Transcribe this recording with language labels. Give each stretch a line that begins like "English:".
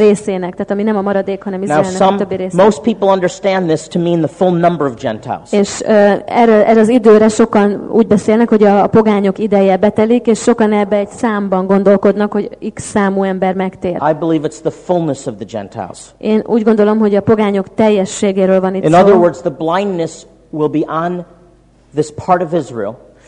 Hungarian: E részének, tehát ami nem a maradék, hanem Izraelnek a többi része.
English: Most people understand this to mean the full number of Gentiles.
Hungarian: És erre az időre sokan úgy beszélnek, hogy a pogányok ideje betelik, és sokan ebbe egy számban gondolkodnak, hogy x számú ember megtér.
English: I believe it's the fullness of the Gentiles.
Hungarian: Én úgy gondolom, hogy a pogányok teljességéről van itt
English: In
Hungarian: szó.
English: In other words, the blindness will be on this part of Israel.